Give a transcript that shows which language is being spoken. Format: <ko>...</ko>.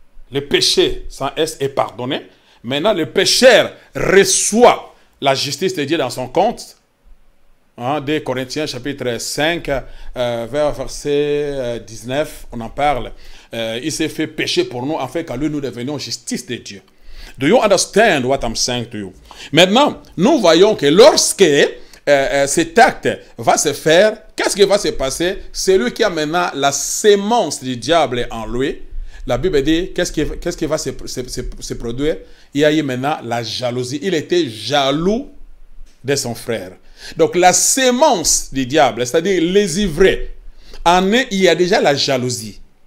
<fr>Le péché sans S est pardonné. Maintenant, le pécheur reçoit la justice de Dieu dans son compte. Hein, des Corinthiens chapitre 5, verset 19, on en parle. Il s'est fait pécher pour nous, afin qu'à lui nous devenions justice de Dieu.</fr> <en>Do you understand what I'm saying to you?</en> <fr>Maintenant, nous voyons que lorsque cet acte va se faire, qu'est-ce qui va se passer? Celui qui a maintenant la semence du diable en lui La Bible dit, qu'est-ce qui va se produire? Il y a eu maintenant la jalousie. Il était jaloux de son frère. Donc, la sémence du diable, c'est-à-dire les ivrés, en eux, il y a déjà la jalousie.</fr>